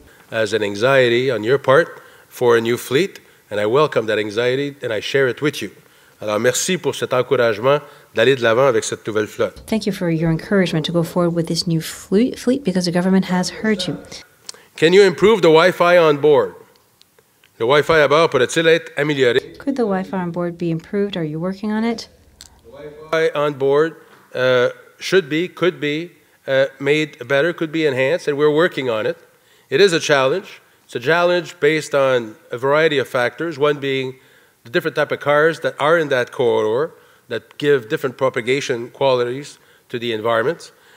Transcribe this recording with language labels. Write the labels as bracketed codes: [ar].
[en] As an anxiety on your part for a new fleet, and I welcome that anxiety and I share it with you. [fr] Alors merci pour cet encouragement d'aller de l'avant avec cette nouvelle flotte. [en] Thank you for your encouragement to go forward with this new fleet because the government has heard you. Can you improve the Wi-Fi on board? [fr] Le Wi-Fi à bord pourrait-il être amélioré? [en] Could the Wi-Fi on board be improved? Are you working on it? The Wi-Fi on board could be made better, could be enhanced, and we're working on it. It is a challenge. It's a challenge based on a variety of factors, one being the different type of cars that are in that corridor that give different propagation qualities to the environment.